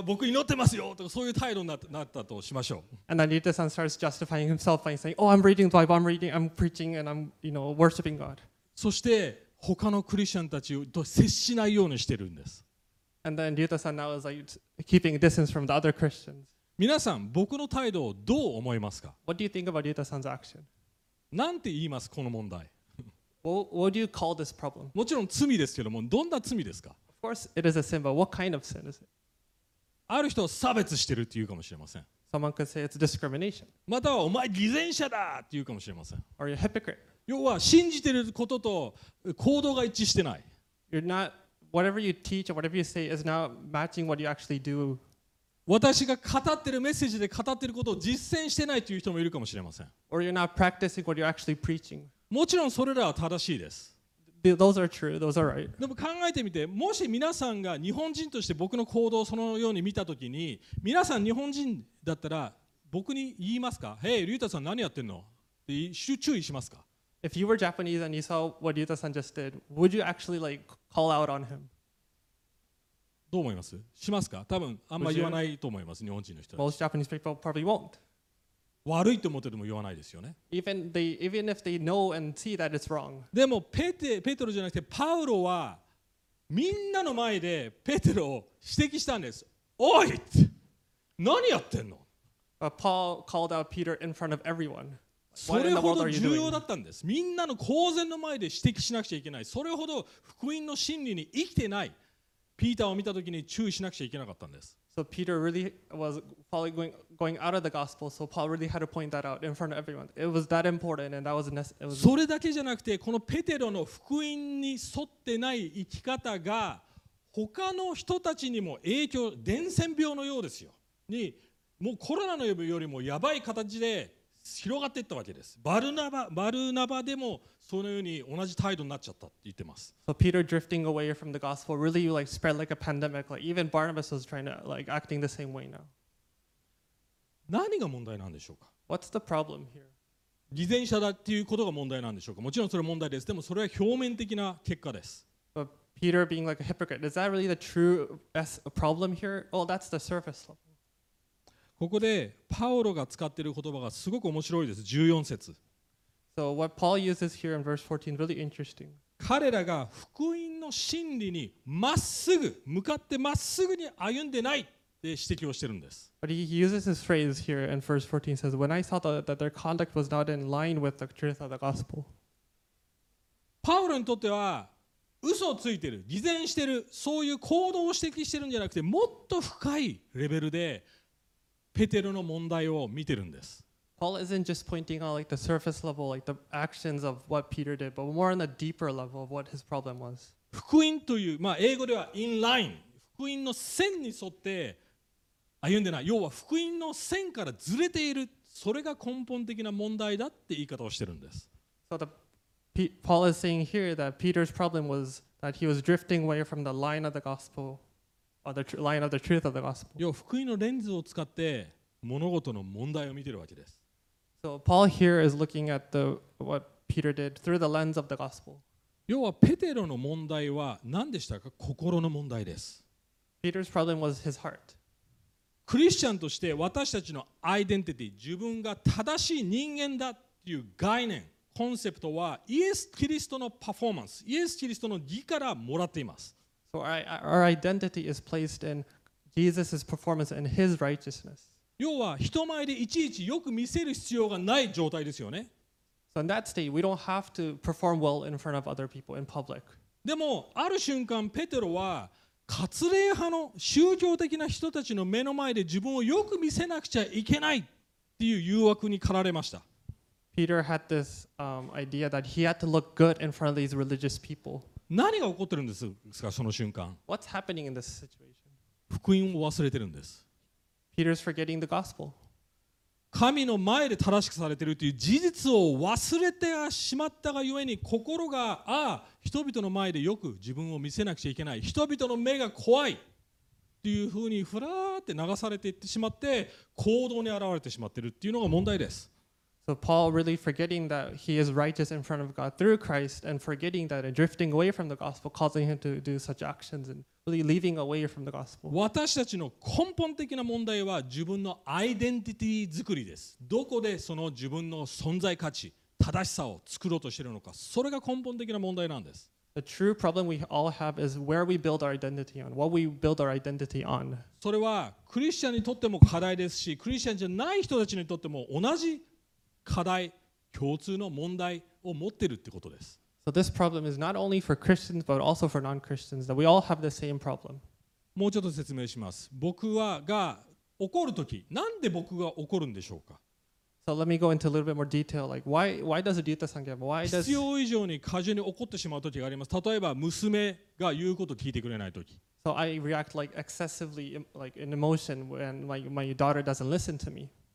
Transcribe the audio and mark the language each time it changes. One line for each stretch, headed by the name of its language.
Japanese: 僕祈ってますよとかそういう態度になったとしましょう。
English: And then Ryuta san starts justifying himself by saying, Oh, I'm reading the Bible, I'm preaching, and I'm, you know, worshiping God.
Japanese: そして他のクリスチャンたちと接しないようにしてるんです。
English: And then Ryuta-san now is like keeping distance from the other Christians.
Japanese: 皆さん、僕の態度をどう思いますか?
English: What do you think about Ryuta-san's action?
Japanese: なんて言います、この問題?
English: What do you call this problem?
Japanese: もちろん罪ですけども、どんな罪ですか?
English: Of course, it is a sin, but what kind of sin is it?
Japanese: ある人を差別してるって言うかもしれません。
English: Someone could say it's discrimination.
Japanese: またはお前偽善者だって言うかもしれません。
English: Or you're a hypocrite.
Japanese: 要は信じてることと行動が一致してない。
English: You're not... Whatever you teach or whatever you say is not matching what you actually do.
Japanese: 私が語ってるメッセージで語ってることを実践してないという人もいるかもしれません。
English: Or you're not practicing what you're actually preaching.
Japanese: もちろんそれらは正しいです。
English: Those are true. Those are right.
Japanese: でも考えてみて、もし皆さんが日本人として僕の行動をそのように見たときに、皆さん日本人だったら僕に言いますか Hey, Ryuta さん何やってんの? って注意しますか?
English: If you were Japanese and you saw what Ryuta-san just did, would you actually like call out on him?
Japanese: どう思います?しますか? 多分あんま言わないと思います、日本人の人。
English: Most Japanese people probably won't.
Japanese: 悪いと思ってても言わないですよね。
English: Even if they know and see that it's wrong.
Japanese: でもペテロじゃなくてパウロはみんなの前でペテロを指摘したんです。おい!何やってんの?
English: But Paul called out Peter in front of everyone.
Japanese: それほど重要だったんです。みんなの公然の前で指摘しなくちゃいけない。それほど福音の真理に生きてない。ピーターを見たときに注意しなくちゃいけなかったんです。
English: So Peter really was following going out of the gospel. So Paul really had to point that out in front of everyone. It was that important and that was necessary.
Japanese: それだけじゃなくて、このペテロの福音に沿ってない生き方が他の人たちにも影響、伝染病のようですよ。にもうコロナのよりもやばい形で。広がっていったわけです。バルナバでもそのように同じ態度になっちゃったって言ってます。
English: So Peter drifting away from the gospel really like spread like a pandemic. Like even Barnabas was trying to like acting the same way now.
Japanese: 何が問題なんでしょうか。
English: What's the problem here?
Japanese: 偽善者だっていうことが問題なんでしょうか。もちろんそれは問題です。でもそれは表面的な結果です。
English: But Peter being like a hypocrite, is that really the true problem here? Well, that's the surface level.
Japanese: ここでパウロが使っている言葉がすごく面白いです。 14節。
English: So what Paul uses here in verse 14 really interesting.
Japanese: 彼らが福音の真理にまっすぐ向かってまっすぐに歩んでないって指摘をしているんです。
English: But he uses this phrase here in verse 14 says, when I saw that their conduct was not in line with the truth of the gospel.
Japanese: パウロにとっては嘘をついている、偽善している、そういう行動を指摘しているんじゃなくて、もっと深いレベルで。ペテロの問題を見てるんです。
English: Paul isn't just pointing out like the surface level, like the actions of what Peter did, but more on the deeper level of what his problem was.
Japanese: 福音という、まあ英語ではインライン、福音の線に沿って歩んでない。要は福音の線からずれている、それが根本的な問題だって言い方をしてるんです。
English: So Paul is saying here that Peter's problem was that he was drifting away from the line of the gospel. Line of the truth of the gospel.
Japanese: 要は福音のレンズを使って物事の問題を見ているわけです。
English: So Paul here is looking at what Peter did through the lens of the gospel.
Japanese: 要はペテロの問題は何でしたか? 心の問題です。
English: Peter's problem was his heart.
Japanese: クリスチャンとして私たちのアイデンティティ、自分が正しい人間だっていう概念、コンセプトはイエス・キリストのパフォーマンス、イエス・キリストの義からもらっています。
English: So our identity is placed in Jesus' performance and his righteousness.
Japanese: 要は人前でいちいちよく見せる必要がない状態ですよね。
English: So in that state, we don't have to perform well in front of other people in public.
Japanese: でもある瞬間、ペテロは割礼派の宗教的な人たちの目の前で自分をよく見せなくちゃいけないっていう誘惑に駆られました。
English: Peter had this idea that he had to look good in front of these religious people.
Japanese: 何が起こってるんですか、その瞬間。
English: What's happening in this situation?
Japanese: 福音を忘れてるんです。
English: Peter's forgetting the gospel.
Japanese: 神の前で正しくされてるという事実を忘れてしまったがゆえに、心が、ああ、人々の前でよく自分を見せなくちゃいけない、人々の目が怖いというふうにふらーって流されていってしまって、行動に現れてしまってるっていうのが問題です。
English: So Paul really forgetting that he is righteous in front of God through Christ and forgetting that and drifting away from the gospel causing him to do such actions and really leaving away from the gospel.
Japanese: 私たちの根本的な問題は自分のアイデンティティ作りです。どこでその自分の存在価値、正しさを作ろうとしているのか、それが根本的な問題なんです。
English: The true problem we all have is where we build our identity on, what we build our identity on.
Japanese: それはクリスチャンにとっても課題ですし、クリスチャンじゃない人たちにとっても同じ課題、共通の問題を持ってるってことです。
English: So this problem is not only for Christians, but also for non-Christians, that we all have the same problem.
Japanese: もうちょっと説明します。僕はが怒るとき、なんで僕が怒るんでしょうか？
English: So let me go into a little bit more detail. Like, why does Ryuta-san get? Why does?
Japanese: 必要以上に過剰に怒ってしまう時があります。例えば娘が言うことを聞いてくれない時。
English: So I react like excessively, like in emotion, when my daughter doesn't listen to me.